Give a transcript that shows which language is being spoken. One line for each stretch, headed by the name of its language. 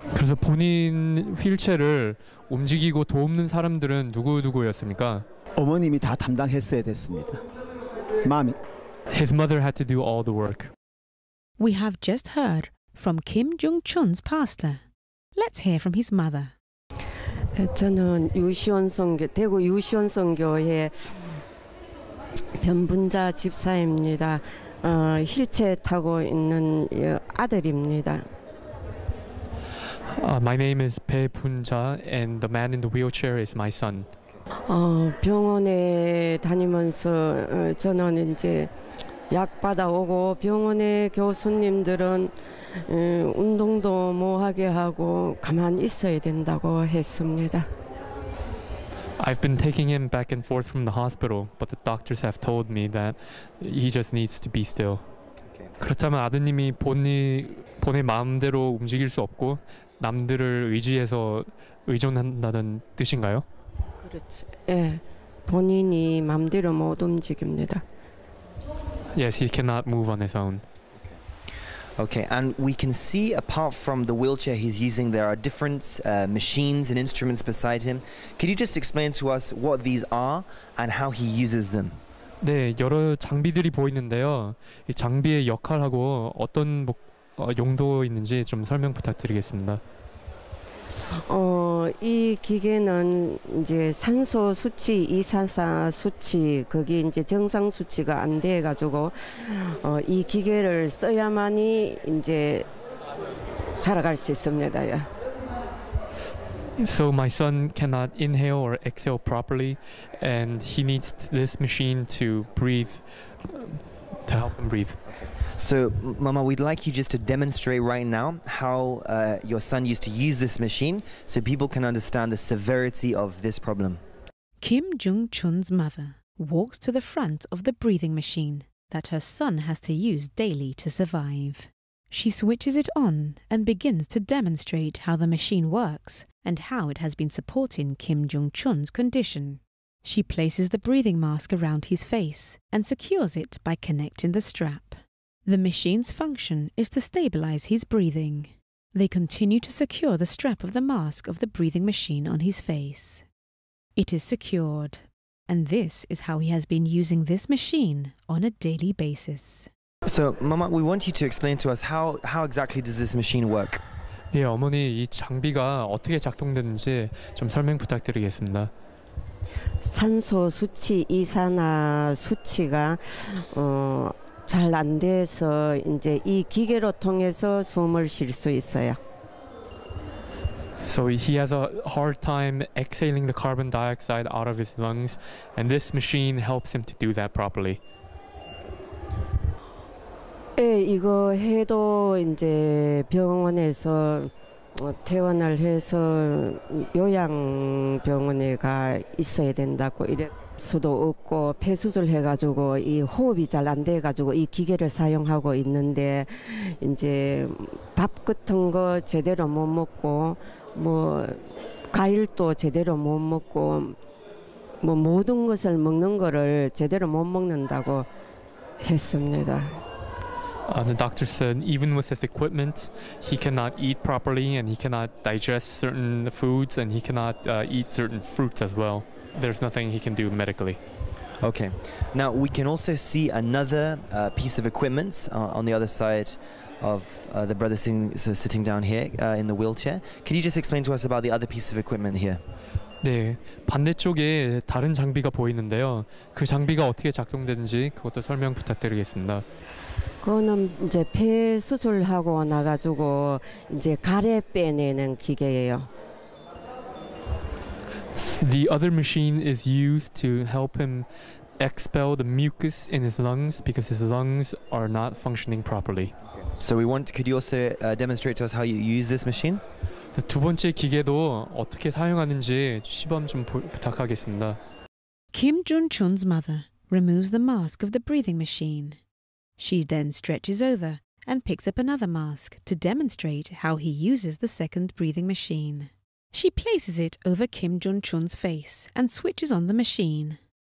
Korean: 그래서 본인 휠체어를 움직이고 돕는 사람들은 누구였습니까? 어머님이 다 담당했어야 됐습니다. 마미.
English: His mother had to do all the work. We have just heard from Kim Jung-chun's pastor. Let's hear from his mother.
Korean: 저는 대구 유시원 선교회 변분자 집사입니다. 휠체어 타고 있는 아들입니다.
English: My name is Pae Bun-ja, and the man in the wheelchair is my son.
Korean: 병원에 다니면서 저는 이제 약 받아오고 병원의 교수님들은 운동도 못하게 하고 가만히 있어야 된다고 했습니다.
English: I've been taking him back and forth from the hospital, but the doctors have told me that he just needs to be still. Okay.
Korean: 그렇다면 아드님이 본인의 마음대로 움직일 수 없고 남들을 의지해서 의존한다는 뜻인가요? 그렇지. 예. 본인이 마음대로 못 움직입니다.
English: Yes, he cannot move on his own. Okay, and we can see, apart from the wheelchair he's using, there are different machines and instruments beside him. Could you just explain to us what these are and how he uses them?
Korean: 네, 여러 장비들이 보이는데요. 이 장비의 역할하고 어떤 용도가 있는지 좀 설명 부탁드리겠습니다. 이 기계는 이제 산소 수치, 이산화 수치, 거기 이제 정상 수치가 안 돼가지고 이 기계를 써야만이 이제 살아갈 수 있습니다.
English: So my son cannot inhale or exhale properly, and he needs this machine to breathe, to help him breathe. So, Mama, we'd like you just to demonstrate right now how your son used to use this machine so people can understand the severity of this problem. Kim Jung-chun's mother walks to the front of the breathing machine that her son has to use daily to survive. She switches it on and begins to demonstrate how the machine works and how it has been supporting Kim Jung-chun's condition. She places the breathing mask around his face and secures it by connecting the strap. The machine's function is to stabilize his breathing. They continue to secure the strap of the mask of the breathing machine on his face. It is secured. And this is how he has been using this machine on a daily basis. So, Mama, we want you to explain to us how exactly does this machine work?
Korean: 네, 어머니, 이 장비가 어떻게 작동되는지 좀 설명 부탁드리겠습니다. 산소 수치, 이산화 수치가 잘 안 돼서 이제 이 기계로 통해서 숨을 쉴 수 있어요.
English: So he has a hard time exhaling the carbon dioxide out of his lungs, and this machine helps him to do that properly.
Korean: 예, 이거 해도 이제 병원에서 퇴원을 해서 요양병원에 가 있어야 된다고 이랬어도 없고 폐수술 해가지고 이 호흡이 잘 안 돼가지고 이 기계를 사용하고 있는데 이제 밥 같은 거 제대로 못 먹고 뭐 과일도 제대로 못 먹고 뭐 모든 것을 먹는 거를 제대로 못 먹는다고 했습니다.
English: The doctor said even with his equipment, he cannot eat properly and he cannot digest certain foods and he cannot eat certain fruits as well. There's nothing he can do medically. Okay. Now we can also see another piece of equipment on the other side of the brother sitting down here in the wheelchair. Can you just explain to us about the other piece of equipment here?
Korean: 네, 반대쪽에 다른 장비가 보이는데요. 그 장비가 어떻게 작동되는지 그것도 설명 부탁드리겠습니다. 그거는 이제 폐 수술하고 나가지고 이제 가래 빼내는 기계예요.
English: The other machine is used to help him expel the mucus in his lungs because his lungs are not functioning properly. So we want, could you also demonstrate to us how you use this machine?
Korean: 두 번째 기계도 어떻게 사용하는지 시범 좀 부탁하겠습니다.
English: Kim Jun-chun's mother removes the mask of the breathing machine. She then stretches over and picks up another mask to demonstrate how he uses the second breathing machine. She places it over Kim Jun-chun's face and switches on the machine.